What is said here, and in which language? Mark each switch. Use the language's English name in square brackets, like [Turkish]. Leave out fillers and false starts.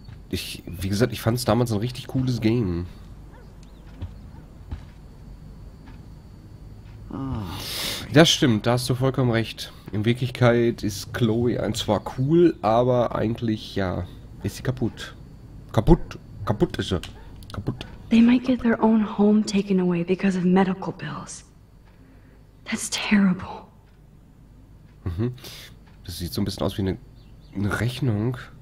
[German] Wie gesagt, ich fand es damals ein richtig cooles Game. Oh, Das stimmt, da hast du vollkommen recht. In Wirklichkeit ist Chloe ein zwar cool, aber eigentlich, ja, ist sie kaputt. Kaputt. Kaputt ist sie. Kaputt. [English] They might get their own home taken away because of medical bills. That's terrible. Mhm. [German] Das sieht so ein bisschen aus wie eine Rechnung.